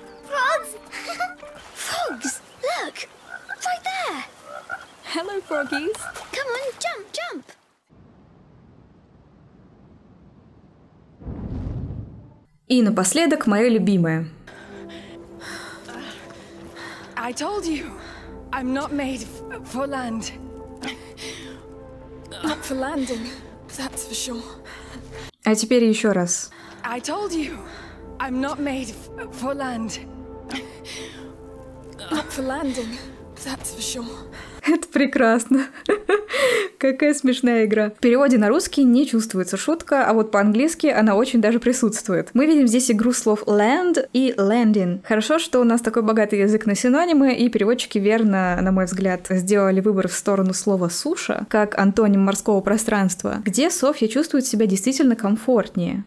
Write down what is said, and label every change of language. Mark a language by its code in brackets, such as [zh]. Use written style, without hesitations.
[en] Frogs? Frogs! Look! It's right there! Hello, froggies! Come on, jump, jump! [ru] И напоследок, моё любимое. [en] I told you, I'm not made for land. Not for landing. That's for sure. [ru] А теперь еще раз. [en] I told you, I'm not made for land. Not for landing, that's for sure. [ru] Это прекрасно. Какая смешная игра. В переводе на русский не чувствуется шутка, а вот по-английски она очень даже присутствует. Мы видим здесь игру слов land и landing. Хорошо, что у нас такой богатый язык на синонимы, и переводчики верно, на мой взгляд, сделали выбор в сторону слова суша, как антоним морского пространства, где Софья чувствует себя действительно комфортнее.